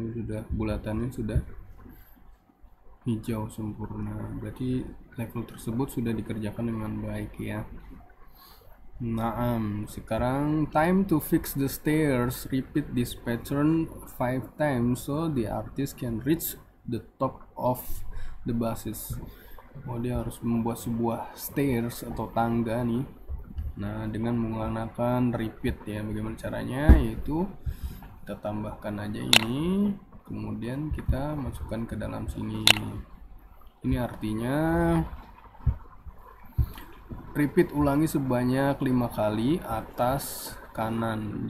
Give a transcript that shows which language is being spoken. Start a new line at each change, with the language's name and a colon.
Indonesian: Bulatannya sudah hijau sempurna, berarti level tersebut sudah dikerjakan dengan baik ya. Nah, sekarang
English: time to fix the stairs. Repeat this pattern 5 times so the artist can reach the top of the buses.
Indonesian: Oh, dia harus membuat sebuah stairs atau tangga nih. Nah, dengan menggunakan repeat ya. Bagaimana caranya? Yaitu kita tambahkan aja ini. Kemudian kita masukkan ke dalam sini. Ini artinya repeat ulangi sebanyak 5 kali, atas kanan.